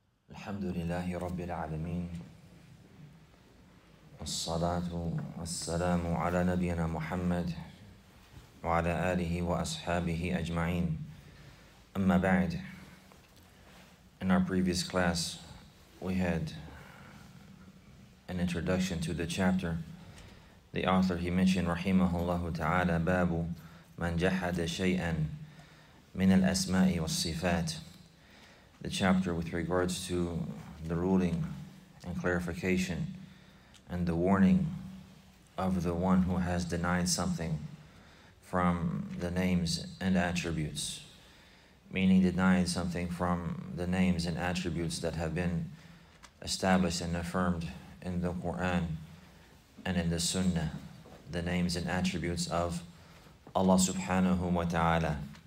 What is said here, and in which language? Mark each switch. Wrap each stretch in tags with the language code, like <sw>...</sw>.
<ar>الحمد لله رب العالمين، الصلاة والسلام على نبينا محمد وعلى آله وأصحابه أجمعين. أما بعد،</ar> <en>in our previous class we had an introduction to the chapter. The author, he mentioned</en> <ar>رحمه الله تعالى باب من جحد شيئا من الأسماء والصفات.</ar> <en>The chapter with regards to the ruling and clarification and the warning of the one who has denied something from the names and attributes, meaning denied something from the names and attributes that have been established and affirmed in the Quran and in the Sunnah, the names and attributes of Allah subhanahu wa ta'ala.</en>